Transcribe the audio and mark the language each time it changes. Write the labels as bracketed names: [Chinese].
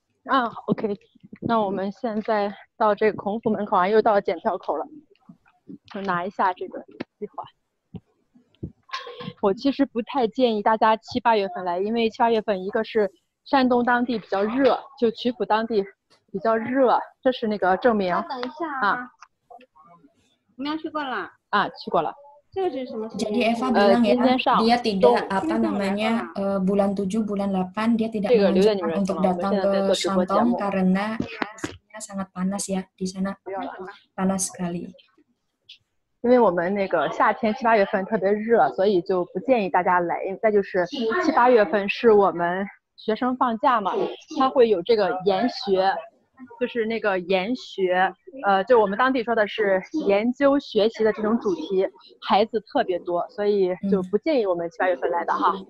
[Chinese] 啊 ，OK， 那我们现在到这个孔府门口啊，又到检票口了，就拿一下这个计划。我其实不太建议大家七八月份来，因为七八月份一个是山东当地比较热，就曲阜当地比较热，这是那个证明。等一下啊，啊你们要去过了？啊，去过了。 [Indonesian] Jadi Eva bilang ya, dia tidak apa namanya bulan 7, bulan 8 dia tidak menunjukkan untuk datang ke Shantong karena hasilnya sangat panas ya di sana, panas sekali. [Chinese] 因为我们那个夏天七八月份特别热，所以就不建议大家来。再就是七八月份是我们学生放假嘛，他会有这个研学，就是那个研学，就我们当地说的是研究学习的这种主题，孩子特别多，所以就不建议我们七八月份来的哈。